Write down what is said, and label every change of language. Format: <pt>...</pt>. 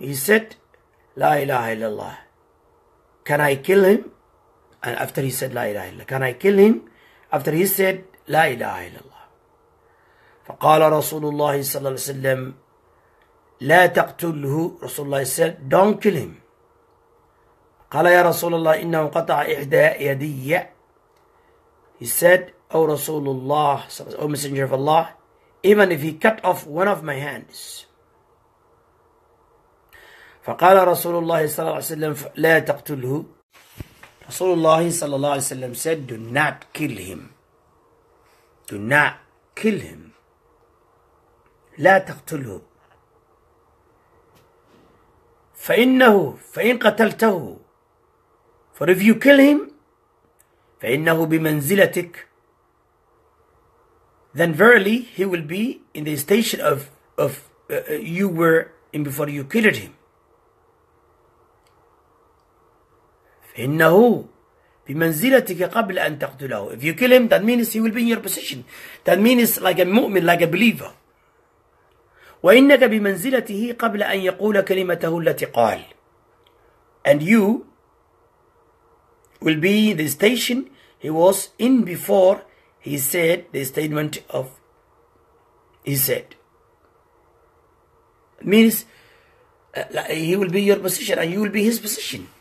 <en>He said, La ilaha illallah. Can I kill him? And after he said, La ilaha illallah. Can I kill him? After he said, La ilaha illallah.</en> <ar>فقال رسول الله صلى الله عليه وسلم, لا تقتله.</ar> <en>رسول الله said, Don't kill him.</en> <ar>قال يا رسول الله إنه قطع إحدى يدي.</ar> <en>He said, O رسول الله, O Messenger of Allah, even if he cut off one of my hands.</en> <ar>فقال رسول الله صلى الله عليه وسلم لا تقتله. رسول الله صلى الله عليه وسلم</ar> <en>said, Do not kill him. Do not kill him.</en> <ar>لا تقتله. فإنه فإن قتلته.</ar> <en>For if you kill him,</en> <ar>فإنه بمنزلتك,</ar> <en>then verily he will be in the station of you were in before you killed him.</en> <ar>فإنه بمنزلتك قبل أن تقتله.</ar> <en>If you kill him, that means he will be in your position. That means like a mu'min, like a believer.</en> <ar>وإنك بمنزلته قبل أن يقول كلمته التي قال.</ar> <en>And you will be the station he was in before he said the statement of he said. Means he will be your position and you will be his position.</en>